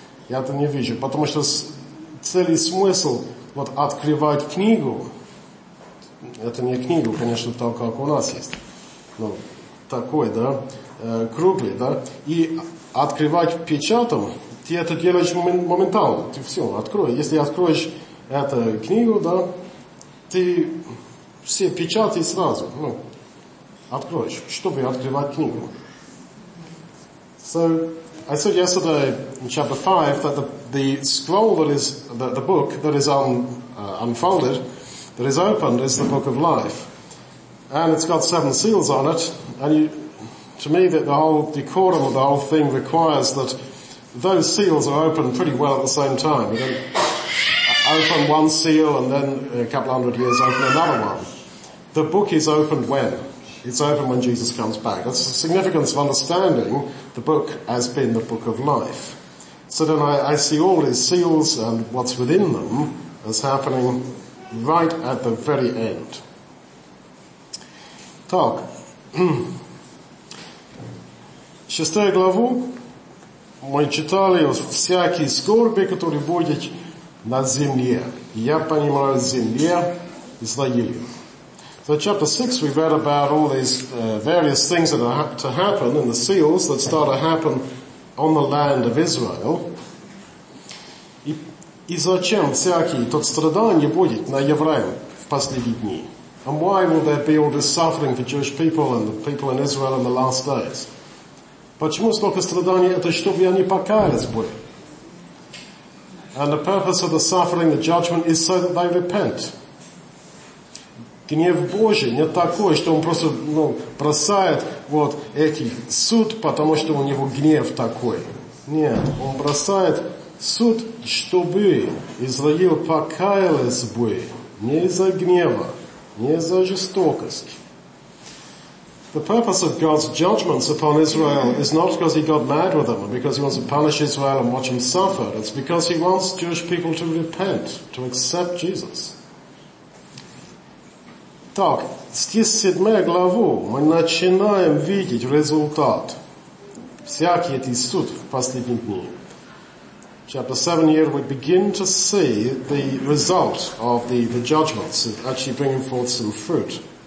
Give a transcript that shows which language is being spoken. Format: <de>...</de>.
<ru>Я это не вижу, потому что цель и смысл вот открывать книгу, это не книгу, конечно, так, как у нас есть, но такой, да, круглый, да, и открывать печатом, ты это делаешь моментально, ты все, открой. Если откроешь эту книгу, да, ты все печати сразу, ну, откроешь, чтобы открывать книгу.</ru> <en>So, I said yesterday in chapter 5 that the scroll that is, the book that is unfolded, that is opened, is the book of life. And it's got seven seals on it. And to me, the whole decorum of the whole thing requires that those seals are opened pretty well at the same time. You don't open one seal and then a couple hundred years open another one. The book is opened when? It's open when Jesus comes back. That's the significance of understanding the book as being the book of life. So then I see all these seals and what's within them as happening right at the very end.</en> <ru>Так. Шестая глава. Мы читали о всякой скорби, которая будет на земле. Я понимаю, земля Израилю.</ru> <en>So chapter 6, we read about all these various things that are to happen and the seals that start to happen on the land of Israel.</en> <ru>И зачем всякий тот страдание будет на евреям в последние дни?</ru> <en>And why will there be all this suffering for Jewish people and the people in Israel in the last days?</en> <ru>Почему столько страданий? Это чтобы они покаялись бы.</ru> <en>And the purpose of the suffering, the judgment, is so that they repent.</en> <ru>Гнев Божий не такой, что он просто ну, бросает вот этих суд, потому что у него гнев такой. Нет, он бросает суд, чтобы Израил покаялись бы не из-за гнева, не из-за жестокости.</ru> <en>The purpose of God's judgments upon Israel is not because he got mad with them or because he wants to punish Israel and watch them suffer. It's because he wants Jewish people to repent, to accept Jesus.</en> <ru>Так, стих 7 главу мы начинаем видеть результат. Всякий этот суд в последние дни.</ru> <en>Chapter 7 here we begin to see the result of the judgments actually bringing forth some fruit.</en>